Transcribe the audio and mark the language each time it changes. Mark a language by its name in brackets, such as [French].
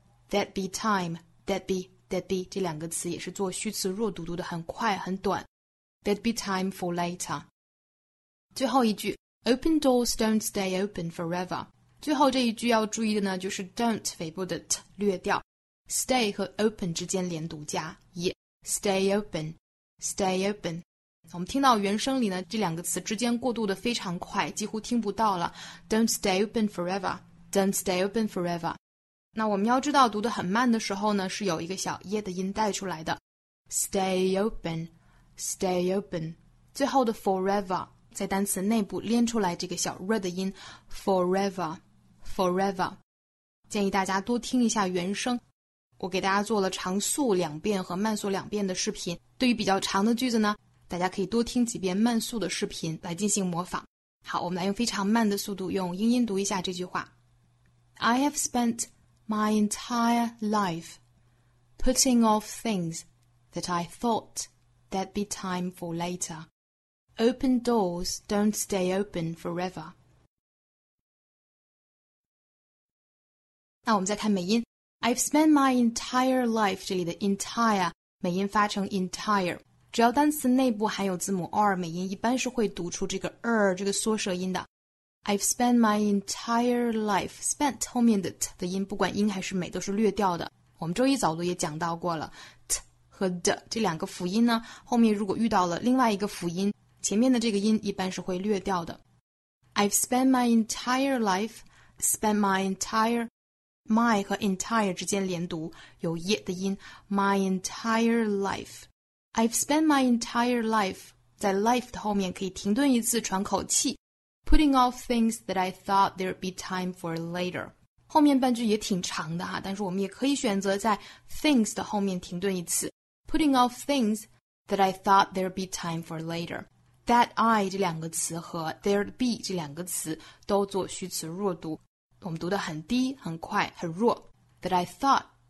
[English] That be time [Chinese] 这两个词也是做虚词弱读，读的很快很短。 [English] That be time for later。 [Chinese] 最后一句 [English] ，Open doors don't stay open forever。 [Chinese] 最后这一句要注意的呢，就是 don't 尾部的 t 略掉。 Stay 和 open 之间连读加 stay open 我们听到原声里呢这两个词之间过渡的非常快几乎听不到了 [English] Don't stay open forever [Chinese] 那我们要知道读得很慢的时候呢是有一个小 ye 的音带出来的 [English] Stay open [Chinese] 最后的 forever 在单词内部连出来这个小 r 的音 Forever 建议大家多听一下原声我给大家做了长速两遍和慢速两遍的视频。对于比较长的句子呢，大家可以多听几遍慢速的视频来进行模仿。好，我们来用非常慢的速度用英音读一下这句话。 [English] I have spent my entire life putting off things that I thought there'd be time for later. Open doors don't stay open forever. [Chinese] 那我们再看美音。 [English] I've spent my entire life, [Chinese] 这里的 [English] entire, [Chinese] 美音发成 [English] entire. [Chinese] 只要单词内部含有字母 r, 美音一般是会读出这个 r, 这个缩舌音的。 [English] I've spent my entire life, [Chinese] spent 后面的 t 的音不管音还是美都是略掉的。我们周一早读也讲到过了 ,t 和 d, 这两个辅音呢后面如果遇到了另外一个辅音前面的这个音一般是会略掉的。 [English] I've spent my entire life, spent my entire,My 和 entire [Chinese] 之间连读有 [English] ye 的音 My entire life I've spent my entire life 在 life [Chinese] 的后面可以停顿一次喘口气 [English] Putting off things that I thought there'd be time for later [Chinese] 后面半句也挺长的哈但是我们也可以选择在 [English] things [Chinese] 的后面停顿一次 [English] Putting off things that I thought there'd be time for later That I [Chinese] 这两个词和 [English] there'd be [Chinese] 这两个词都做虚词弱读我们读得很低很快很弱 [English] That I thought